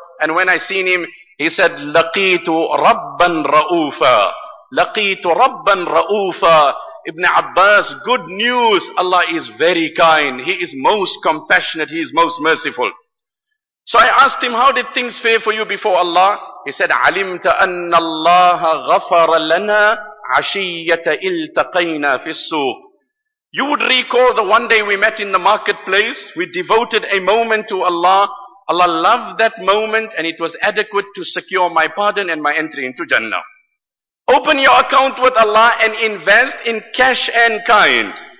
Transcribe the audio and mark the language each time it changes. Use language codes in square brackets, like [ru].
[en] And when I seen him, he said, [ar] لَقِيتُ رَبًّا رَؤُوفًا لَقِيتُ رَبًّا رَؤُوفًا. [en] Ibn Abbas, good news, Allah is very kind. He is most compassionate, He is most merciful. So I asked him, how did things fare for you before Allah? He said, [ar] عَلِمْتَ أَنَّ اللَّهَ غَفَرَ لَنَا عَشِيَّةَ إِلْتَقَيْنَا فِي السُّوقِ. [en] You would recall the one day we met in the marketplace, we devoted a moment to Allah. Allah loved that moment and it was adequate to secure my pardon and my entry into Jannah. Open your account with Allah and invest in cash and kind.